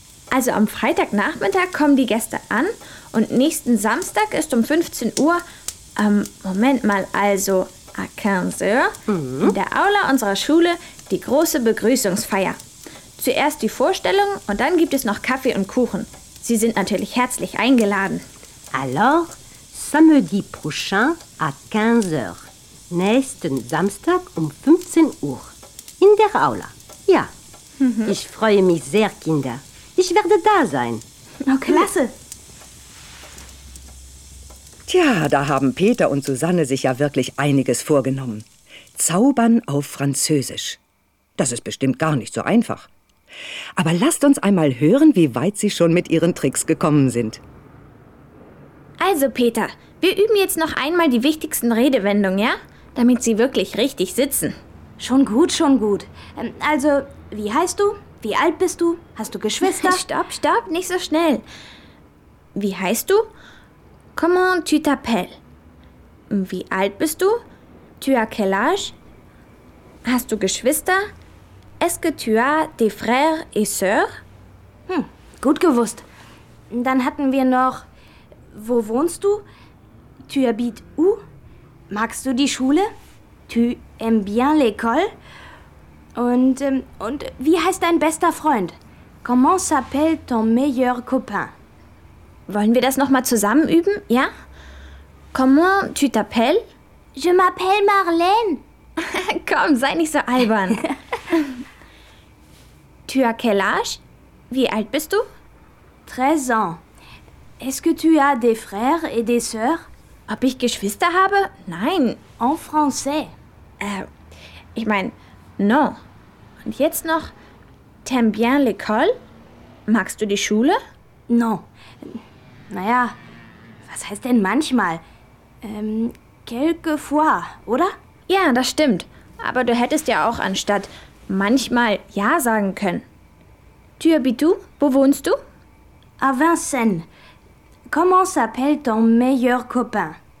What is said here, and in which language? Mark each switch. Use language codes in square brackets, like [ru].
[de] Also am Freitagnachmittag kommen die Gäste an und nächsten Samstag ist um 15 Uhr, Moment mal, also à 15 Uhr, mhm, in der Aula unserer Schule die große Begrüßungsfeier. Zuerst die Vorstellung und dann gibt es noch Kaffee und Kuchen. Sie sind natürlich herzlich eingeladen. [fr] Alors, samedi prochain à 15 Uhr. [de] Nächsten Samstag um 15 Uhr. In der Aula. Ja. Mhm. Ich freue mich sehr, Kinder. Ich werde da sein. Oh, klasse. Tja, da haben Peter und Susanne sich ja wirklich einiges vorgenommen. Zaubern auf Französisch. Das ist bestimmt gar nicht so einfach. Aber lasst uns einmal hören, wie weit sie schon mit ihren Tricks gekommen sind. Also, Peter, wir üben jetzt noch einmal die wichtigsten Redewendungen, ja? Damit sie wirklich richtig sitzen. Schon gut, schon gut. Also, wie heißt du? Wie alt bist du? Hast du Geschwister? Stopp, stopp, nicht so schnell. Wie heißt du? [fr] Comment tu t'appelles? [de] Wie alt bist du? [fr] Tu as quel âge? [de] Hast du Geschwister? [fr] Est-ce que tu as des frères et sœurs? [de] Hm, gut gewusst. Dann hatten wir noch, wo wohnst du? [fr] Tu habites où? [de] Magst du die Schule? [fr] Tu aimes bien l'école? [de] Und wie heißt dein bester Freund? [fr] Comment s'appelle ton meilleur copain? [de] Wollen wir das nochmal zusammen üben, ja? [fr] Comment tu t'appelles? Je m'appelle Marlène. [de] Komm, sei nicht so albern. [fr] Tu as quel âge? [de] Wie alt bist du? [fr] 13 ans. Est-ce que tu as des frères et des sœurs? [de] Ob ich Geschwister habe? Nein. [fr] En français. [de] Ich meine, non. Und jetzt noch, [fr] t'aimes bien l'école? [de] Magst du die Schule? [fr] Non. [de] Naja, was heißt denn manchmal? [fr] Quelquefois, oder? [de] Ja, das stimmt. Aber du hättest ja auch anstatt manchmal ja sagen können. [fr] Tu habites où? [de] Wo wohnst du? [fr] À Vincennes. Comment s'appelle ton meilleur copain?